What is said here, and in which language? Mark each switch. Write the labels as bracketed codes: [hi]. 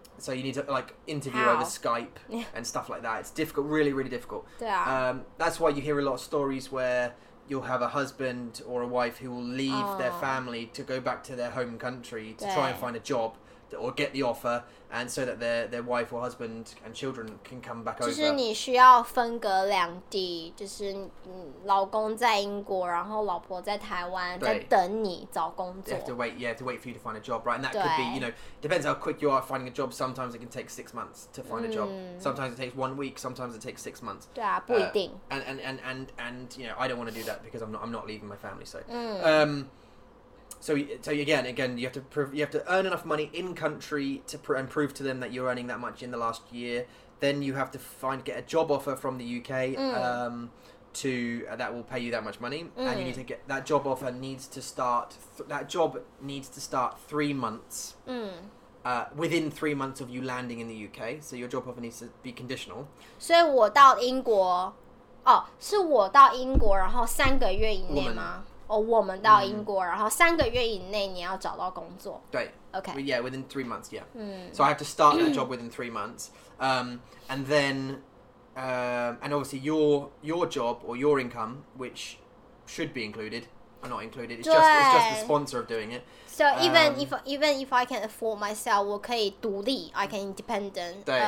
[en] So you need to like interview over Skype and stuff like that. It's difficult, really, really difficult. [zh] 对啊。 [en] That's why you hear a lot of stories where you'll have a husband or a wife who will leave their family to go back to their home country to try and find a job. Or get the offer, and so that their wife or husband and children can come back over. [zh] 就是你需要分隔两地，就是老公在英国，然后老婆在台湾，在等你找工作。 [en] You have to wait, yeah, to wait for you to find a job, right? And that could be, you know, depends how quick you are finding a job. Sometimes it can take 6 months to find a job. Sometimes it takes 1 week. Sometimes it takes 6 months. [zh] 对啊，不一定。 [en] And you know, I don't want to do that because I'm not leaving my family. So. So again, you have to earn enough money in country to prove to them that you're earning that much in the last year then you have to find get a job offer from the UK to that will pay you that much money, and you need to get that job offer needs to start that job needs to start 3 months within 3 months of you landing in the UK. So your job offer needs to be conditional. [zh] 所以我到英国。是我到英国然后三个月以内吗？我们到英国 然后三个月以内你要找到工作。对。 [en] Okay. Yeah, within 3 months, yeah. So I have to start that job within 3 months. And then, and obviously your job or your income, which should be included, are not included. It's just the sponsor of doing it. So even if I can afford myself, [zh] 我可以独立, [en] I can independent.